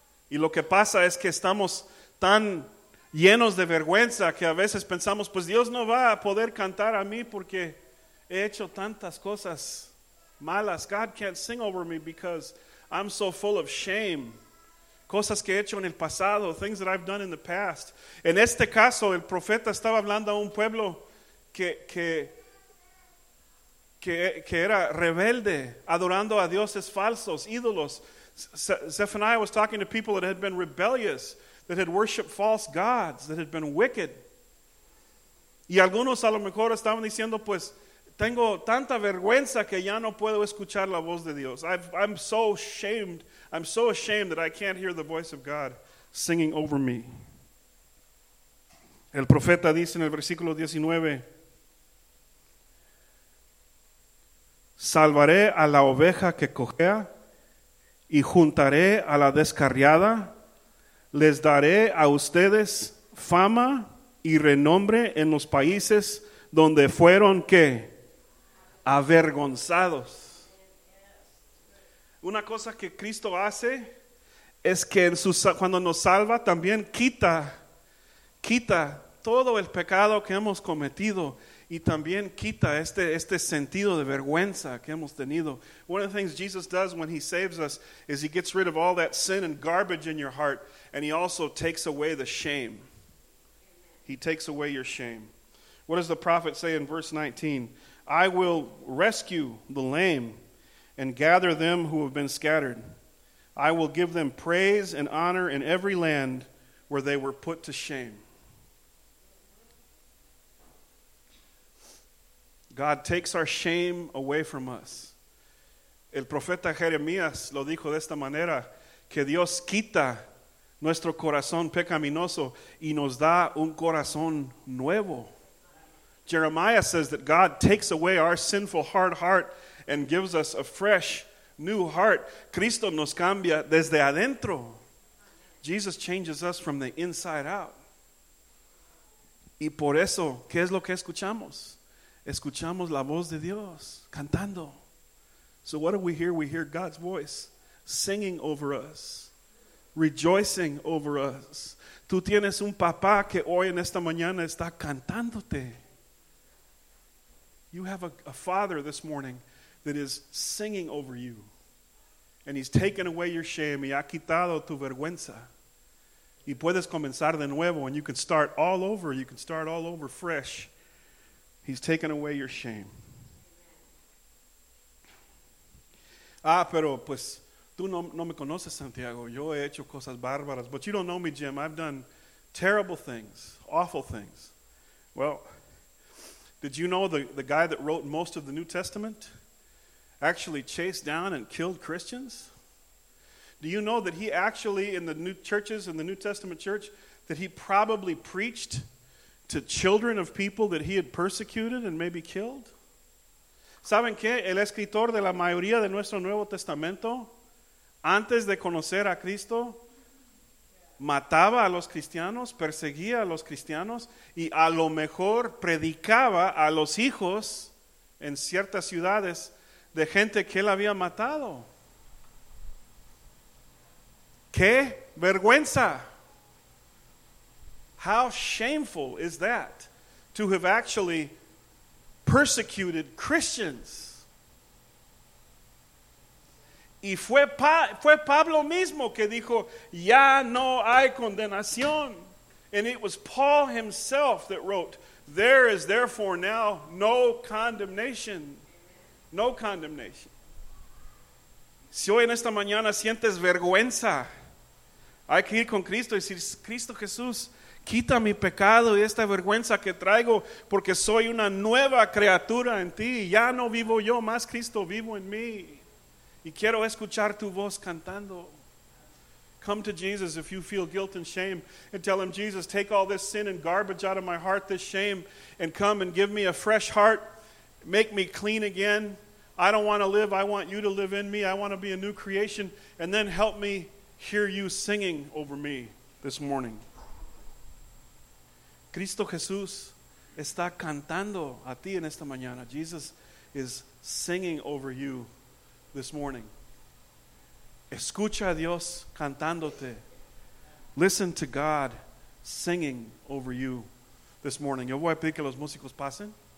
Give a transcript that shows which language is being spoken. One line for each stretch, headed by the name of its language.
Spanish: Y lo que pasa es que estamos tan llenos de vergüenza que a veces pensamos, pues Dios no va a poder cantar a mí porque he hecho tantas cosas malas.
English: God can't sing over me because I'm so full of shame.
Spanish: Cosas que he hecho en el pasado,
English: things that I've done in the past.
Spanish: En este caso, el profeta estaba hablando a un pueblo que era rebelde, adorando a dioses falsos, ídolos.
English: Zephaniah was talking to people that had been rebellious, that had worshipped false gods, that had been wicked.
Spanish: Y algunos a lo mejor estaban diciendo, pues, tengo tanta vergüenza que ya no puedo escuchar la voz de Dios.
English: I'm so ashamed that I can't hear the voice of God singing over me.
Spanish: El profeta dice en el versículo 19, salvaré a la oveja que cojea y juntaré a la descarriada. Les daré a ustedes fama y renombre en los países donde fueron, ¿qué? Avergonzados. Una cosa que Cristo hace es que cuando nos salva también quita todo el pecado que hemos cometido. Y también quita este sentido de vergüenza que hemos tenido.
English: One of the things Jesus does when he saves us is he gets rid of all that sin and garbage in your heart. And he also takes away the shame. He takes away your shame. What does the prophet say in verse 19? I will rescue the lame and gather them who have been scattered. I will give them praise and honor in every land where they were put to shame. God takes our shame away from us.
Spanish: El profeta Jeremías lo dijo de esta manera, que Dios quita nuestro corazón pecaminoso y nos da un corazón nuevo.
English: Jeremiah says that God takes away our sinful hard heart and gives us a fresh new heart.
Spanish: Cristo nos cambia desde adentro.
English: Jesus changes us from the inside out.
Spanish: Y por eso, ¿qué es lo que escuchamos? Escuchamos la voz de Dios cantando.
English: So what do we hear? We hear God's voice singing over us, rejoicing over us.
Spanish: Tú tienes un papá que hoy en esta mañana está cantándote.
English: You have a father this morning that is singing over you. And he's taken away your shame.
Spanish: Y ha quitado tu vergüenza. Y puedes comenzar de nuevo.
English: And you can start all over. You can start all over fresh. He's taken away your shame.
Spanish: Ah, pero pues, tú no me conoces, Santiago. Yo he hecho cosas bárbaras.
English: But you don't know me, Jim. I've done terrible things, awful things. Well, did you know the guy that wrote most of the New Testament actually chased down and killed Christians? Do you know that he actually, in the new churches, in the New Testament church, that he probably preached to children of people that he had persecuted and maybe killed?
Spanish: ¿Saben qué? El escritor de la mayoría de nuestro Nuevo Testamento, antes de conocer a Cristo, mataba a los cristianos, perseguía a los cristianos, y a lo mejor predicaba a los hijos en ciertas ciudades de gente que él había matado. ¡Qué vergüenza!
English: How shameful is that to have actually persecuted Christians?
Spanish: Y fue Pablo mismo que dijo, ya no hay condenación.
English: And it was Paul himself that wrote, there is therefore now no condemnation. No condemnation.
Spanish: Si hoy en esta mañana sientes vergüenza, hay que ir con Cristo y decir, Cristo Jesús, quita mi pecado y esta vergüenza que traigo porque soy una nueva criatura en ti. Ya no vivo yo, más Cristo vivo en mí. Y quiero escuchar tu voz cantando.
English: Come to Jesus if you feel guilt and shame and tell him, Jesus, take all this sin and garbage out of my heart, this shame, and come and give me a fresh heart. Make me clean again. I don't want to live. I want you to live in me. I want to be a new creation. And then help me hear you singing over me this morning.
Spanish: Cristo Jesús está cantando a ti en esta mañana.
English: Jesus is singing over you this morning.
Spanish: Escucha a Dios cantándote.
English: Listen to God singing over you this morning.
Spanish: Yo voy a pedir que los músicos pasen.